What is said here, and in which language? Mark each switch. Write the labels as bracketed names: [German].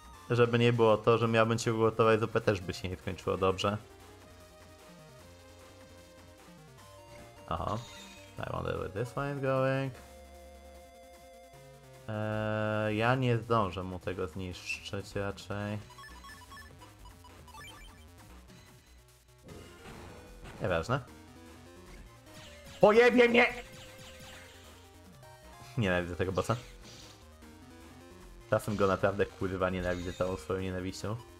[Polish] Żeby nie było to, że miałbym cię ugotować zupę, też by się nie skończyło dobrze. [English] Aha, I wonder where this one is going. [Polish] Ja nie zdążę mu tego zniszczyć raczej. Nieważne. Pojebie mnie! Nienawidzę tego bossa. Czasem go naprawdę kurwa nienawidzę całą swoją nienawiścią.